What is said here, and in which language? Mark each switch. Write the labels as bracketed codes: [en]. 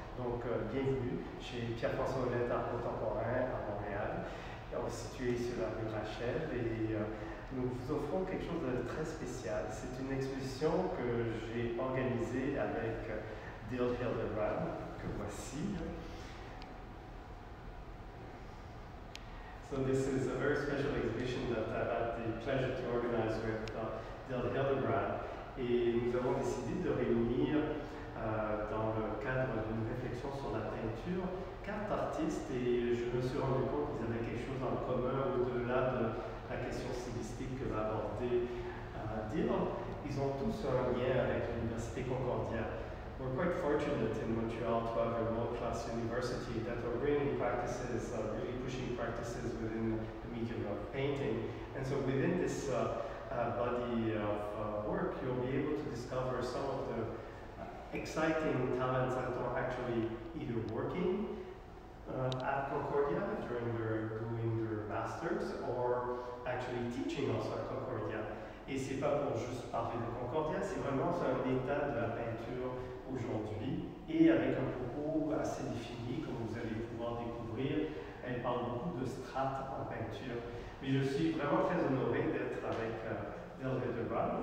[fr] Donc, bienvenue chez Pierre-François Ouellette Art Contemporain à Montréal, situé sur la rue Rachel. Et nous vous offrons quelque chose de très spécial. C'est une exposition que j'ai organisée avec Dil Hildebrand, que voici. [en] So this is a very special exhibition that I've had the pleasure to organize with Dil Hildebrand. [fr] Et nous avons décidé de réunir dans le cadre d'une réflexion sur la peinture, quatre artistes, et je me suis rendu compte qu'ils avaient quelque chose en commun au-delà de la question stylistique que va aborder Dil. Ils ont tous un lien avec l'Université Concordia. [en] We're quite fortunate in Montreal to have a world-class university that are bringing practices, really pushing practices within the medium of painting. And so within this body of work, you'll be able to discover some of the exciting talents that are actually either working at Concordia during their doing their masters or actually teaching also at Concordia. [fr] Et c'est pas pour juste parler de Concordia, c'est vraiment sur un état de la peinture aujourd'hui et avec un propos assez défini comme vous allez pouvoir découvrir. Elle parle beaucoup de strates en peinture. Mais je suis vraiment très honoré d'être avec Dil Hildebrand.